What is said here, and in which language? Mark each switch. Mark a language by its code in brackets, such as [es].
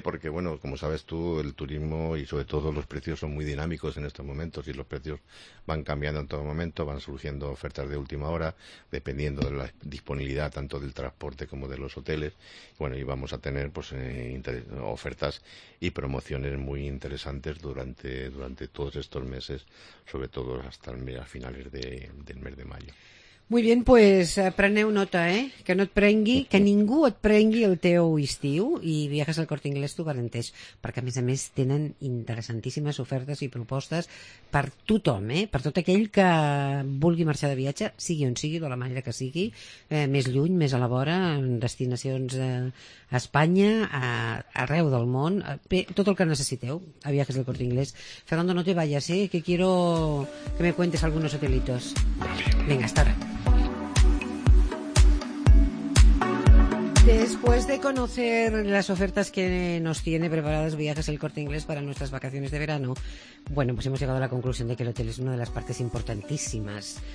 [es] Porque, bueno, como sabes tú, el turismo y sobre todo los precios son muy dinámicos en estos momentos y los precios van cambiando en todo momento, van surgiendo ofertas de última hora, dependiendo de la disponibilidad tanto del transporte como de los hoteles. Bueno, y vamos a tener pues ofertas y promociones muy interesantes durante todos estos meses, sobre todo hasta a finales del mes de mayo. [ca] Muy bien, pues preneu nota, que no et prengui, que ningú et prengui el teu estiu i Viajes al Corte Inglés t'ho garanteix, perquè a més tenen interessantíssimes ofertes i propostes per tothom, per tot aquell que vulgui marxar de viatge, sigui on sigui, de la manera que sigui, més lluny, més a la vora, en destinacions a Espanya, arreu del món, bé, tot el que necessiteu a Viajes al Corte Inglés. [es] Fernando, no te vayas, que quiero que me cuentes algunos hotelitos. Venga, hasta ahora. Después de conocer las ofertas que nos tiene preparadas Viajes El Corte Inglés para nuestras vacaciones de verano, bueno, pues hemos llegado a la conclusión de que el hotel es una de las partes importantísimas.